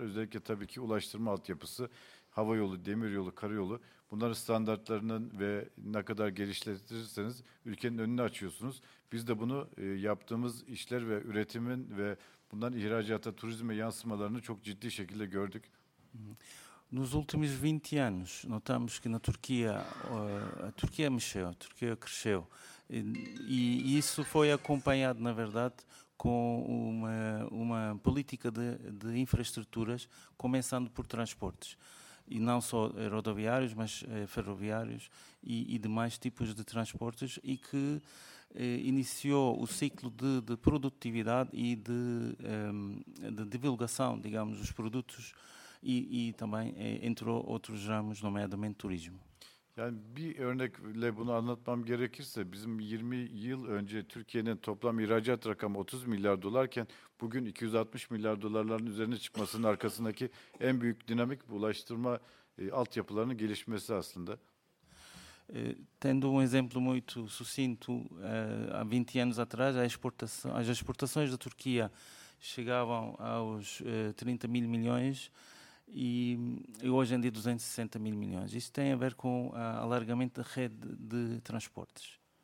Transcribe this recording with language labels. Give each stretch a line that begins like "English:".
Turkish: Özellikle tabii ki ulaştırma altyapısı, hava yolu, demir yolu, karayolu. Bunların standartlarının ve ne kadar geliştirirseniz ülkenin önünü açıyorsunuz. Biz de bunu yaptığımız işler ve üretimin ve bundan ihracata, turizme yansımalarını çok ciddi şekilde gördük.
Portuguese: Nos últimos 20 anos, notamos que na Turquia, a Turquia mexeu, a Turquia cresceu. E isso foi acompanhado, na verdade, com uma política de infraestruturas, começando por transportes, e não só rodoviários, mas ferroviários e demais tipos de transportes, e que iniciou o ciclo de produtividade e de divulgação, digamos, dos produtos, e também entrou outros ramos, nomeadamente turismo.
Turkish: Yani bir örnekle bunu anlatmam gerekirse, bizim 20 yıl önce Türkiye'nin toplam ihracat rakamı 30 milyar dolarken bugün 260 milyar dolarların üzerine çıkmasının arkasındaki en büyük dinamik bu ulaştırma altyapılarının gelişmesi aslında.
Portuguese: Tendo um exemplo muito sucinto, há 20 anos atrás as exportações da Turquia chegavam aos 30 mil milhões e hoje em dia 260 mil milhões. Isso tem a ver com o alargamento da rede de transportes.